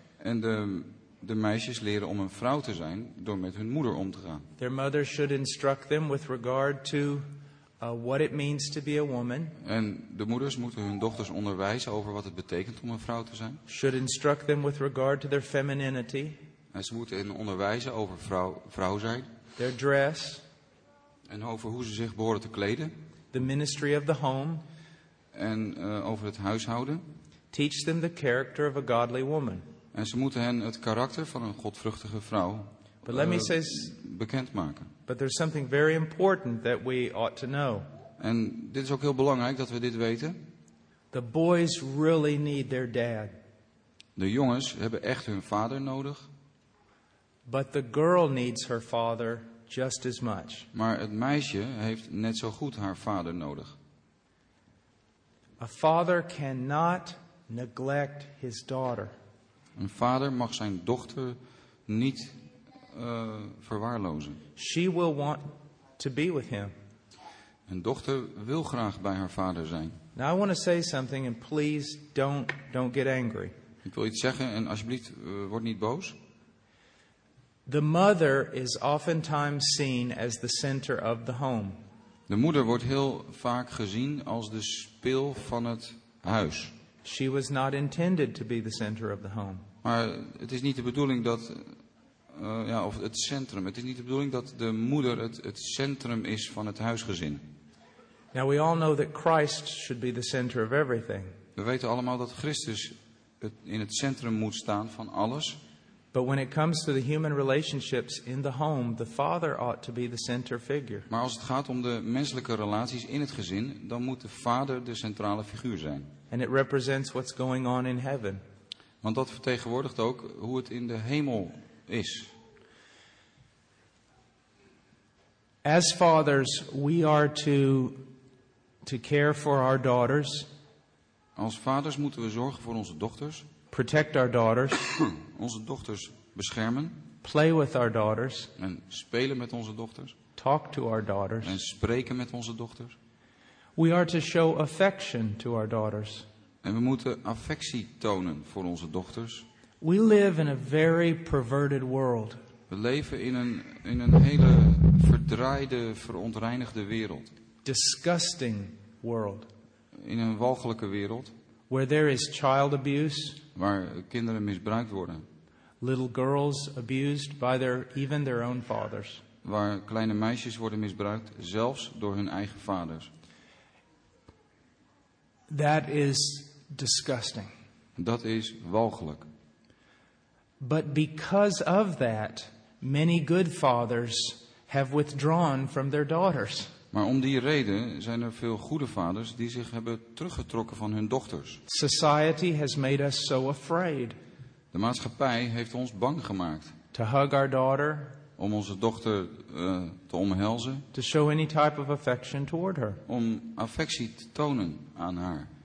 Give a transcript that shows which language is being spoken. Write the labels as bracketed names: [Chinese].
[Dutch] En de meisjes leren om een vrouw te zijn door met hun moeder om te gaan. [English] Their mother should instruct them with regard to what it means to be a woman. [Dutch] En de moeders moeten hun dochters onderwijzen over wat het betekent om een vrouw te zijn. [English] Should instruct them with regard to their femininity. [Dutch] En ze moeten hen onderwijzen over vrouw zijn. [English] Their dress. [Dutch] En over hoe ze zich behoren te kleden. [English] The ministry of the home. [Dutch] En over het huishouden. [English] Teach them the character of a godly woman. [Dutch] En ze moeten hen het karakter van een godvruchtige vrouw bekendmaken. [English] But there's something very important that we ought to know. [Dutch] En dit is ook heel belangrijk dat we dit weten. [English] The boys really need their dad. [Dutch] De jongens hebben echt hun vader nodig. [English] But the girl needs her father just as much. [Dutch] Maar het meisje heeft net zo goed haar vader nodig. [English] A father cannot neglect his daughter. [Dutch] Een vader mag zijn dochter niet verwaarlozen. [English] She will want to be with him. [Dutch] Een dochter wil graag bij haar vader zijn. [English] Now I want to say something and please don't get angry. [Dutch] Ik wil iets zeggen en alsjeblieft word niet boos. [English] The mother is oftentimes seen as the center of the home. [Dutch] De moeder wordt heel vaak gezien als de spil van het huis. [English] She was not intended to be the center of the home. [Dutch] Maar het is niet de bedoeling dat of het centrum. Het is niet de bedoeling dat de moeder het centrum is van het huisgezin. [English] Now we all know that Christ should be the center of everything. [Dutch] We weten allemaal dat Christus in het centrum moet staan van alles. [English] But when it comes to the human relationships in the home, the father ought to be the center figure. [Dutch] Maar als het gaat om de menselijke relaties in het gezin, dan moet de vader de centrale figuur zijn. [English] And it represents what's going on in heaven. [Dutch] Want dat vertegenwoordigt ook hoe het in de hemel is. [English] As fathers, we are to care for our daughters. [Dutch] Als vaders moeten we zorgen voor onze dochters. [English] Protect our daughters. [Dutch] Onze dochters beschermen. [English] Play with our daughters. [Dutch] En spelen met onze dochters. [English] Talk to our daughters. [Dutch] En spreken met onze dochters. [English] We are to show affection to our daughters. [Dutch] En we moeten affectie tonen voor onze dochters. [English] We live in a very perverted world. [Dutch] We leven in een hele verdraaide, verontreinigde wereld. [English] Disgusting world. [Dutch] In een walgelijke wereld. [English] Where there is child abuse. [Dutch] Waar kinderen misbruikt worden. [English] Little girls abused by even their own fathers. [Dutch] Waar kleine meisjes worden misbruikt, zelfs door hun eigen vaders. [English] That is disgusting. [Dutch] Dat is walgelijk. [English] But because of that, many good fathers have withdrawn from their daughters. [Dutch] Maar om die reden zijn er veel goede vaders die zich hebben teruggetrokken van hun dochters. [English] Society has made us so afraid. [Dutch] De maatschappij heeft ons bang gemaakt. [English] To hug our daughter. [Dutch] Om onze dochter te omhelzen. [English] To show any type of affection toward her. [Dutch] Om affectie te tonen aan haar.